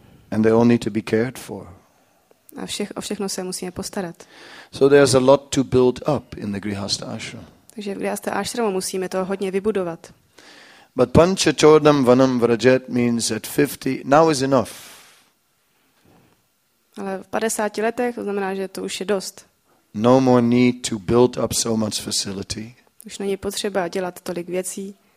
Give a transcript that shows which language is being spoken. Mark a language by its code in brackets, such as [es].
[en] And they all need to be cared for. [cs] A o všechno se musíme postarat. [en] So there's a lot to build up in the Grihastha ashram. [cs] Takže v Grihastha ashramu musíme to hodně vybudovat. [en] But [sa] pancha chodam vanam vrajet [en] means at 50 now is enough. [cs] Ale v 50 letech to znamená, že to už je dost. [en] No more need to build up so much facility. Už není potřeba dělat tolik věcí.